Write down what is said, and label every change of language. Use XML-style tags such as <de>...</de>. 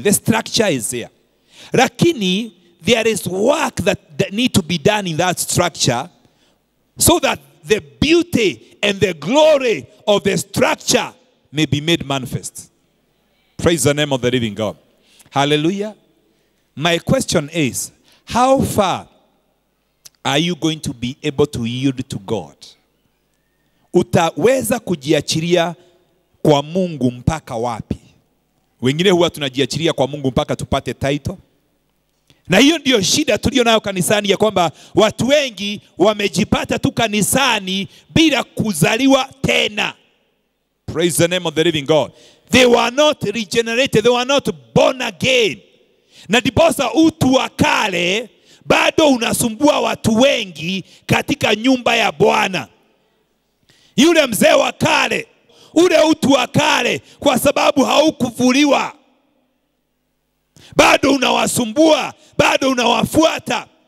<en>The structure is there. Lakini, there is work that need to be done in that structure so that the beauty and the glory of the structure may be made manifest. Praise the name of the living God. Hallelujah. My question is, how far are you going to be able to yield to God?</en> <sw>Utaweza kujiachiria kwa Mungu mpaka wapi? Wengine huwa tunajiachiria kwa Mungu mpaka tupate title. Na hiyo ndiyo shida tulio nayo kanisani, ya kwamba watu wengi wamejipata tu kanisani bila kuzaliwa tena.</sw> <en>Praise the name of the living God. They were not regenerated. They were not born again.</en> <sw>Na diposa utu wa kale bado unasumbua watu wengi katika nyumba ya Bwana. Yule mzee wa kale, ule utu wa kale, kwa sababu haukuvuliwa, bado unawasumbua, bado unawafuata.</sw>